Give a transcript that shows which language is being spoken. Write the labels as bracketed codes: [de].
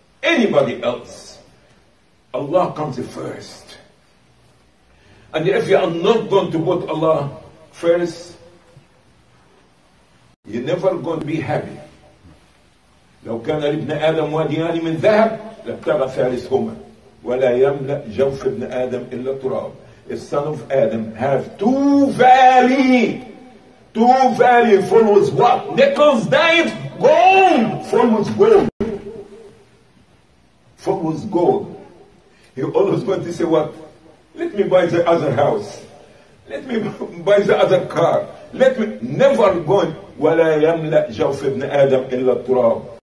[en] Anybody else. Allah comes first. And if you are not going to put Allah first, you're never going to be happy. لا [ar] لو كان ابن آدم وديان من ذهب لابتغى ثالثهما ولا يملأ جوف ابن آدم إلا تراب. [en] The son of Adam have two valleys. Two valleys full with what? Nickels, dimes, gold. Full with gold. Full with gold. He always going to say what? Let me buy the other house. Let me buy the other car. Let me never go. [ar] ولا يملأ جوف ابن آدم إلا تراب.